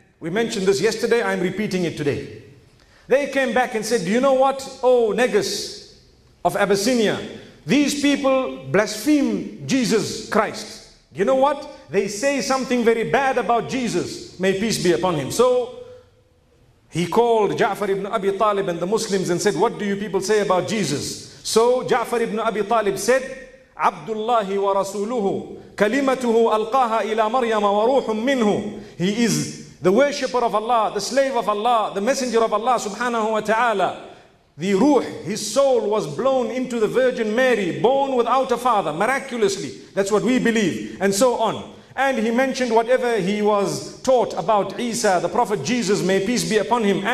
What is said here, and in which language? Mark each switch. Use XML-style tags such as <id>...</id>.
<en>We mentioned this yesterday, I'm repeating it today. They came back and said, do you know what, O Negus of Abyssinia? These people blaspheme Jesus Christ. Do you know what? They say something very bad about Jesus. May peace be upon him. So he called Ja'far ibn Abi Talib and the Muslims and said, what do you people say about Jesus? So Ja'far ibn Abi Talib said,</en> <ar>عبدالله ورسوله كلمته ألقاها إلى مريم وروح منه.</ar> <en>He is the worshipper of Allah, the slave of Allah, the messenger of Allah subhanahu wa ta'ala. The ruh, his soul was blown into the Virgin Mary, born without a father, miraculously. That's what we believe, and so on. And he mentioned whatever he was taught about Isa, the Prophet Jesus, may peace be upon him.</en>